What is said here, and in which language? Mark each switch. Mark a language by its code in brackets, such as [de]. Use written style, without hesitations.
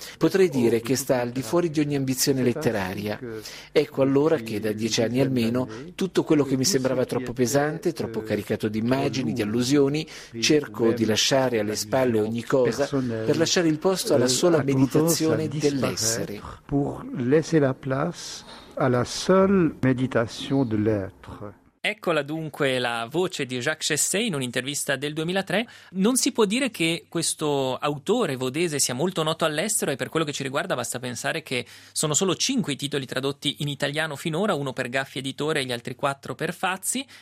[it] Potrei dire che sta al di fuori di ogni ambizione letteraria. Ecco allora che da 10 anni almeno tutto quello che mi sembrava troppo pesante, troppo caricato di immagini, di allusioni, cerco di lasciare alle spalle ogni cosa per lasciare il posto alla sola meditazione dell'essere. [fr] Pour laisser la place à la seule méditation de l'être. [it] Eccola dunque la voce di Jacques Chessé in un'intervista del 2003. Non si può dire che questo autore vaudese sia molto noto all'estero e per quello che ci riguarda basta pensare che sono solo 5 i titoli tradotti in italiano finora, uno per Gaffi Editore e gli altri 4 per Fazzi.